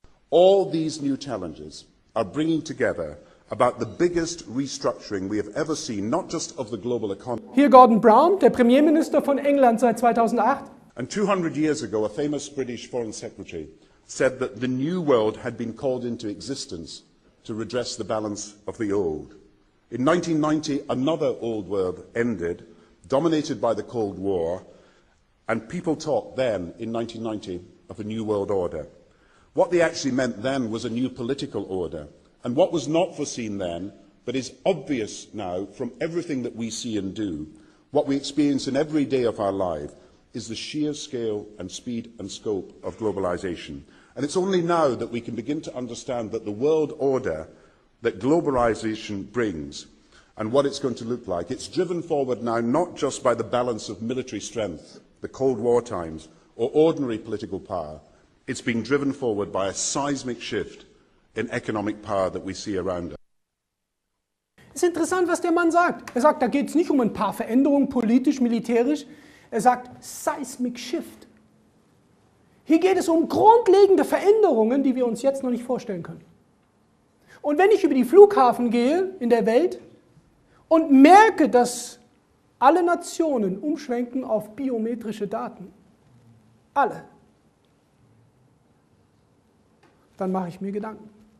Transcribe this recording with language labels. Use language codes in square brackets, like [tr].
[en] All these new challenges are bringing together about the biggest restructuring we have ever seen, not just of the global economy. [de] Hier Gordon Brown, der Premierminister von England seit 2008. [en] And 200 years ago, a famous British foreign secretary said that the new world had been called into existence to redress the balance of the old. In 1990, another old world ended, dominated by the Cold War, and people talked then, in 1990, of a new world order. What they actually meant then was a new political order. And what was not foreseen then, but is obvious now from everything that we see and do, what we experience in every day of our life, is the sheer scale and speed and scope of globalization. And it's only now that we can begin to understand that the world order that globalization brings and what it's going to look like, it's driven forward now not just by the balance of military strength, the Cold War times, or ordinary political power. It's being driven forward by a seismic shift in economic power that we see around us. [de] Es ist interessant, was der Mann sagt. Er sagt, da geht es nicht um ein paar Veränderungen, politisch, militärisch. Er sagt, seismic shift. Hier geht es um grundlegende Veränderungen, die wir uns jetzt noch nicht vorstellen können. Und wenn ich über die Flughafen gehe in der Welt und merke, dass alle Nationen umschwenken auf biometrische Daten, alle, dann mache ich mir Gedanken.